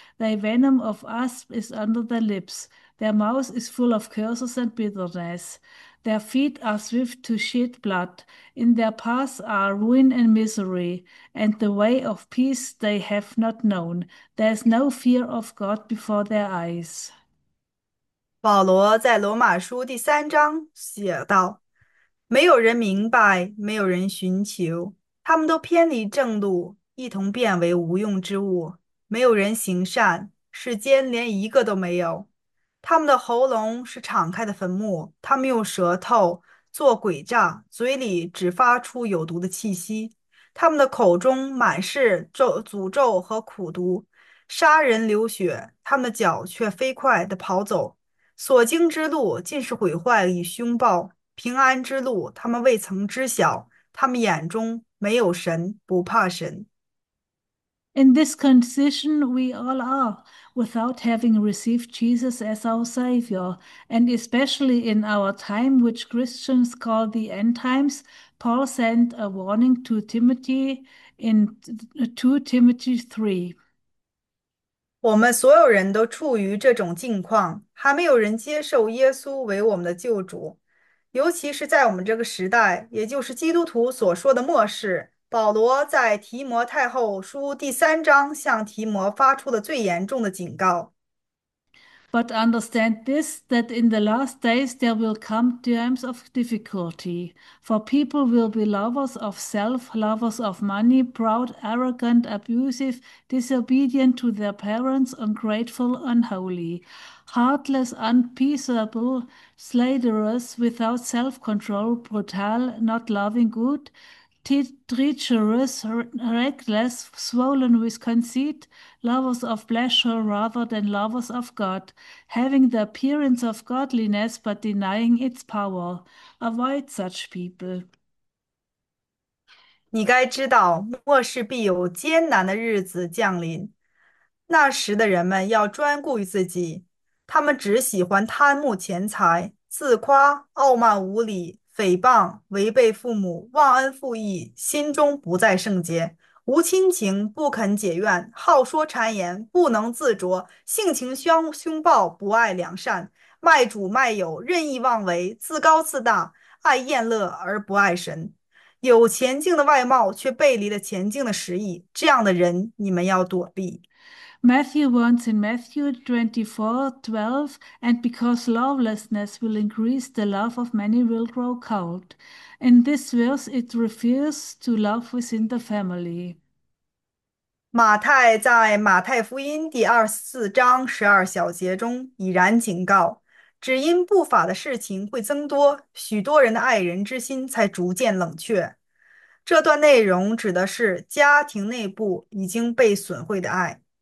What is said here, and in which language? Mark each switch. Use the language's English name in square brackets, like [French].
[English] Their venom of asp is under their lips, their mouth is full of curses and bitterness. Their feet are swift to shed blood. In their paths are ruin and misery, and the way of peace they have not known. There's no fear of God before their eyes." [Chinese] 保罗在罗马书第三章写道：“没有人明白，没有人寻求，他们都偏离正路，一同变为无用之物。没有人行善，世间连一个都没有。他们的喉咙是敞开的坟墓，他们用舌头做诡诈，嘴里只发出有毒的气息。他们的口中满是诅咒和苦毒，杀人流血，他们的脚却飞快地跑走。” 所经之路尽是毁坏与凶暴，平安之路他们未曾知晓。他们眼中没有神，不怕神。 [English] In this condition, we all are, without having received Jesus as our Savior. And especially in our time, which Christians call the end times, Paul sent a warning to Timothy in 2 Timothy 3. [Chinese] 我们所有人都处于这种境况，还没有人接受耶稣为我们的救主，尤其是在我们这个时代，也就是基督徒所说的末世。保罗在提摩太后书第三章向提摩发出了最严重的警告。 [English] But understand this, that in the last days there will come times of difficulty. For people will be lovers of self, lovers of money, proud, arrogant, abusive, disobedient to their parents, ungrateful, unholy, heartless, unpeaceable, slanderous, without self-control, brutal, not loving good, treacherous, reckless, swollen with conceit, lovers of pleasure rather than lovers of God, having the appearance of godliness but denying its power. Avoid such people. [Chinese] 你该知道，末世必有艰难的日子降临。那时的人们要专顾于自己，他们只喜欢贪慕钱财、自夸、傲慢无礼、诽谤、违背父母、忘恩负义，心中不再圣洁，无亲情，不肯解怨，好说谗言，不能自着，性情凶暴，不爱良善，卖主卖友，任意妄为，自高自大，爱宴乐而不爱神。有前进的外貌，却背离了前进的实意，这样的人，你们要躲避。 [English] Matthew warns in Matthew 24:12, "And because lawlessness will increase, the love of many will grow cold." In this verse, it refers to love within the family. [Chinese] 马太在《马太福音》第24章12小节中已然警告，只因不法的事情会增多，许多人的爱人之心才逐渐冷却。这段内容指的是家庭内部已经被损毁的爱。